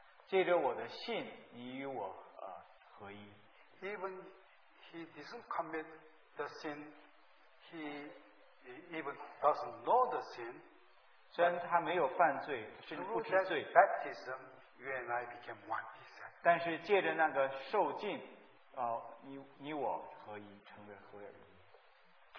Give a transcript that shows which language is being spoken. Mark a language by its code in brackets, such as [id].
[zh] 借着我的信，你与我合一。 [en] Even he doesn't commit the sin, he even doesn't know the sin. [zh] 虽然他没有犯罪，甚至不知罪。 [en] Through that baptism, you and I became one. He said. [zh] 但是借着那个受浸，你我可以成为合一。